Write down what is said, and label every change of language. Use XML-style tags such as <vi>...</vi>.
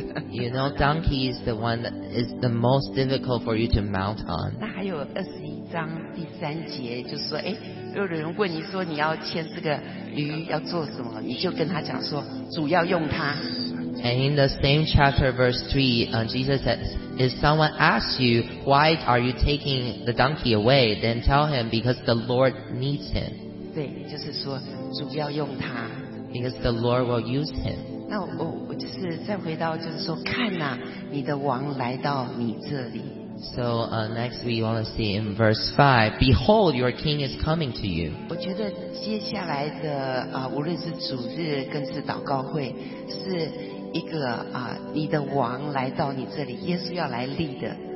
<en>You know, donkey is the one that is the most difficult for you to mount on.</en> <zh>那还有21章第三节，就是说，哎，有人问你说你要牵这个驴要做什么，你就跟他讲说，主要用它。</zh> <en>And in the same chapter, verse 3, Jesus says, If someone asks you, why are you taking the donkey away? Then tell him, because the Lord needs him.</en> <zh>对，就是说，主要用他。</zh> <en>Because the Lord will use him.</en> <zh>那我就是再回到，就是说，看啊，你的王来到你这里。</zh> <en>So next we want to see in verse 5, Behold, your king is coming to you.</en> <zh>我觉得接下来的无论是主日更是祷告会，是一个你的王来到你这里，耶稣要来立的。</zh>